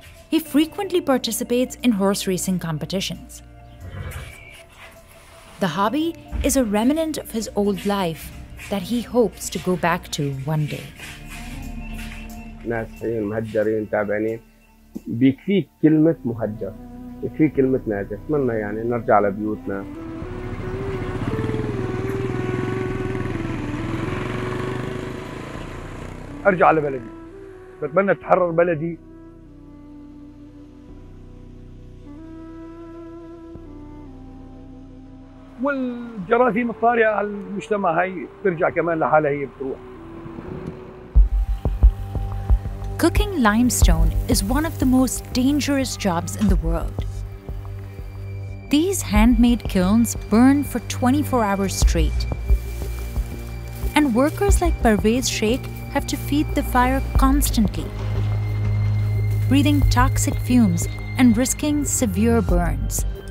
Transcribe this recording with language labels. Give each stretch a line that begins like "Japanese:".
English: He frequently participates in horse racing competitions. The hobby is a remnant of his old life that he hopes to go back to one day.
Arabic: بيكفيك كلمة مهجر بيكفيك كلمة ناجح اتمنى يعني نرجع لبيوتنا. ارجع لبلدي بتمنى اتحرر بلدي. والجراثيم الطارئة على المجتمع هاي بترجع كمان لحالها هي بتروح.
English: Cooking limestone is one of the most dangerous jobs in the world. These handmade kilns burn for 24 hours straight. And workers like Parvez Sheikh have to feed the fire constantly, breathing toxic fumes and risking severe burns.